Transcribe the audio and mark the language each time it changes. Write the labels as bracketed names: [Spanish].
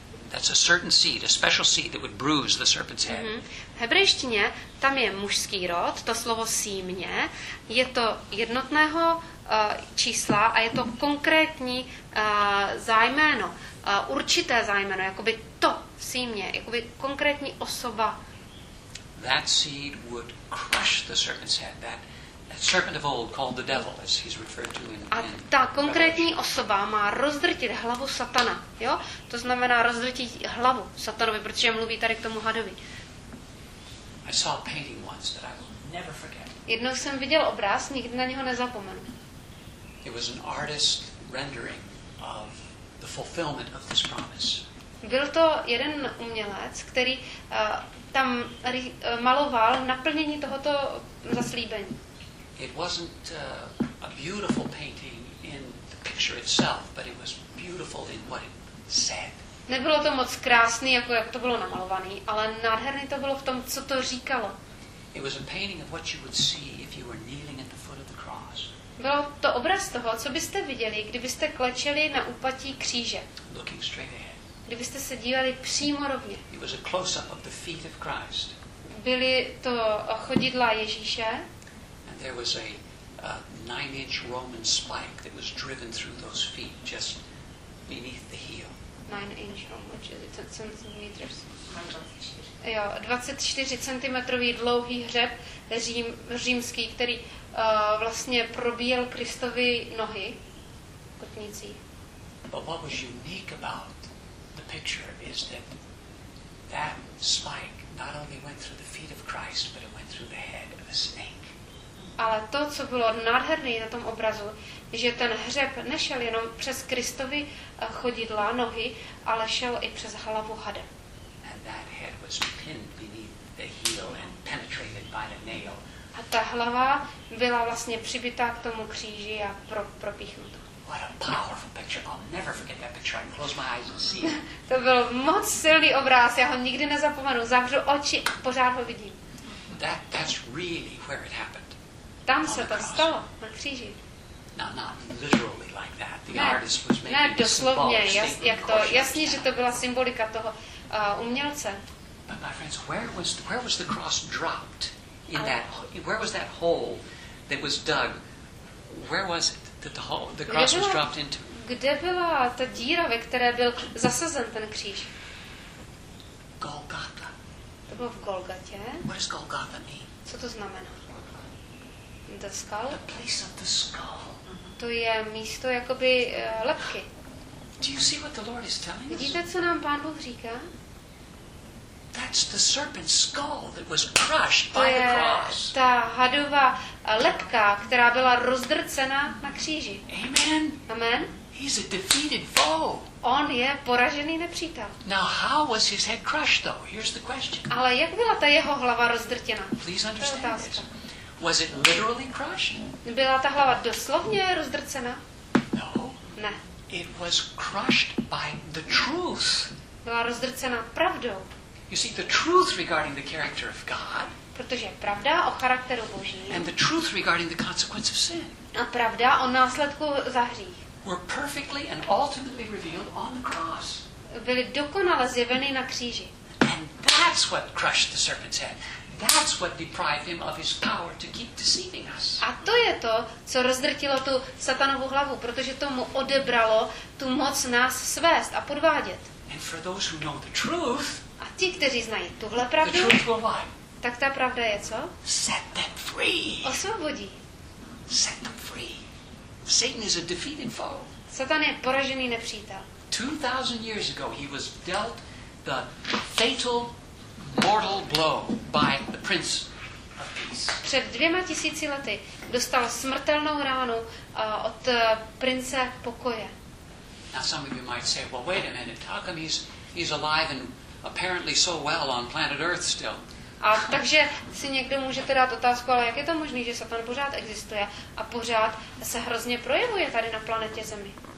[English] That's a certain seed, a special seed that would bruise the serpent's head. Mm-hmm. [Czech] V hebrejštině tam je mužský rod. To slovo símě je to jednotného čísla a je to konkrétní zájmeno, určité zájmeno, jakoby to símě, jakoby konkrétní osoba. [English] That seed would crush the serpent's head. That serpent of old called the devil, as he's referred to in [Czech] a ta konkrétní osoba má rozdrtit hlavu satana, jo? To znamená rozdrtit hlavu satanovi, protože mluví tady k tomu hadovi. [English] I saw a painting once that I will never forget. [Czech] Jednou jsem viděl obraz, nikdy na něho nezapomenu. [English] It was an artist rendering of the fulfillment of this promise. [Czech] Byl to jeden umělec, který tam maloval naplnění tohoto zaslíbení. [English] It wasn't a beautiful painting in the picture itself, but it was beautiful in what it said. [Czech] Nebylo to moc krásný, jako jak to bylo namalovaný, ale nádherný to bylo v tom, co to říkalo. [English] It was a painting of what you would see if you were kneeling at the foot of the cross. [Czech] Byl to obraz toho, co byste viděli, kdybyste klečeli na úpatí kříže. [English] Looking straight ahead. [Czech] Kdybyste se dívali přímo rovně. [English] It was a close-up of the feet of Christ. [Czech] Byly to chodidla Ježíše. [English] And there was a 9-inch Roman spike that was driven through those feet just beneath the heel. 9-inch Roman, čili 10 centimeters. [Czech] Jo, 24 centimetrový dlouhý hřeb římský, který vlastně probíjel Kristovi nohy kotnicí. [English] But what was unique about the picture is that that spike not only went through the feet of Christ, but it went through the head of a snake. [Czech] Ale to, co bylo nádherné na tom obrazu, že ten hřeb nešel jenom přes Kristovi chodidla nohy, ale šel i přes hlavu hada. [English] And that head was pinned beneath the heel and penetrated by the nail. [Czech] A ta hlava byla vlastně přibitá k tomu kříži a propíchnuta. [English] What a powerful picture. I'll never forget that picture. I'll close my eyes and see. [Czech] To byl moc silný obraz. Já ho nikdy nezapomenu. Zavřu oči, pořád ho vidím. [English] That's really where it happened. [Czech] Tam se to stalo, na kříži. [English] No, not literally like that. The artist was making [Czech] a doslovně, jak to, jasně, že to byla symbolika toho umělce. [English] But my friends, where was the cross dropped? In that, where was that hole that was dug? Where was it that the cross was dropped into? [Czech] Kde byla ta díra, ve které byl zasazen ten kříž? Golgata. To bylo v Golgatě. [English] What does Golgata mean? [Czech] Co to znamená? [English] The skull? The place of the skull. [Czech] To je místo jakoby lebky. [English] Do you see what the Lord is telling us? [Czech] Vidíte, co nám Pán Bůh říká? [English] That's the serpent's skull that was crushed by the cross. [Czech] Ta hadova lebka, která byla rozdrcena na kříži. [English] Amen. [Czech] Amen. [English] He's a defeated foe. [Czech] On je poražený nepřítel. [English] Now how was his head crushed though? Here's the question. [Czech] Ale jak byla ta jeho hlava rozdrtěna? [English] Please understand this. Was it literally crushed? [Czech] Byla ta hlava doslovně rozdrcena? [English] No. [Czech] Ne. [English] It was crushed by the truth. [Czech] Byla rozdrcena pravdou. [English] You see the truth regarding the character of God. [Czech] Protože pravda o charakteru Boží. [English] And the truth regarding the consequence of sin. [Czech] A pravda o následku za hřích. [English] were perfectly and ultimately revealed on the cross. [Czech] Byly dokonale zjeveny na kříži. [English] And that's what crushed the serpent's head. That's what deprived him of his power to keep deceiving us. [Czech] A to je to, co rozdrtilo tu satanovu hlavu, protože to mu odebralo tu moc nás svést a podvádět. [English] And for those who know the truth, [Czech] a ti, kteří znají tuhle pravdu, [English] the truth will what? [Czech] Tak ta pravda je co? [English] Set them free. [Czech] Osvobodí. [English] Set them free. Satan is a defeated foe. [Czech] Satan je poražený nepřítel. [English] 2000 years ago he was dealt the fatal mortal blow by the prince of peace. [Czech] Před 2000 lety dostal smrtelnou ránu od prince pokoje. [English] Now some of you might say, well, wait a minute, how come he's alive and apparently so well on planet Earth still? [Czech] A takže si někdo můžete dát otázku, ale jak je to možné, že Satan pořád existuje a pořád se hrozně projevuje tady na planetě Zemi?